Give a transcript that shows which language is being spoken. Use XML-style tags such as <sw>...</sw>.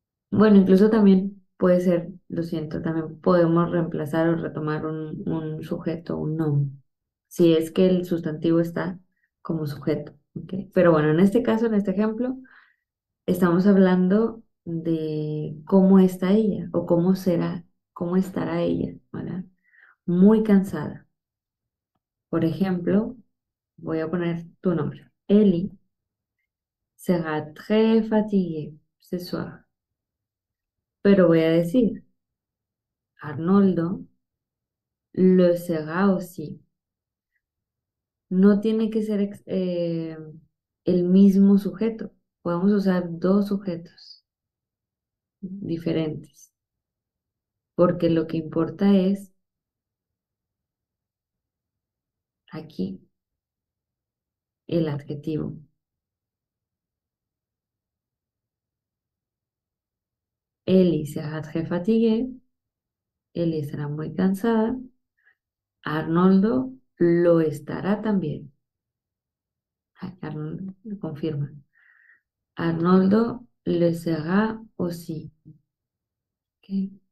<es>Bueno, incluso también puede ser, lo siento, también podemos reemplazar o retomar un sujeto, un nombre, si es que el sustantivo está como sujeto. ¿Okay? Pero bueno, en este caso, en este ejemplo, estamos hablando de cómo está ella o cómo será, cómo estará ella, ¿verdad? Muy cansada. Por ejemplo, voy a poner tu nombre.</es> <fr>Eli sera très fatiguée ce soir.</fr> <es>Pero voy a decir, Arnoldo</es> <fr>le sera aussi.</fr> <es>No tiene que ser el mismo sujeto. Podemos usar dos sujetos diferentes. Porque lo que importa es aquí el adjetivo.</es> <fr>Ellie sera très fatiguée.</fr> <es>Ellie estará muy cansada. Arnoldo lo estará también.</es> <fr>Arnoldo confirma. Arnoldo le sera aussi. Okay.</fr>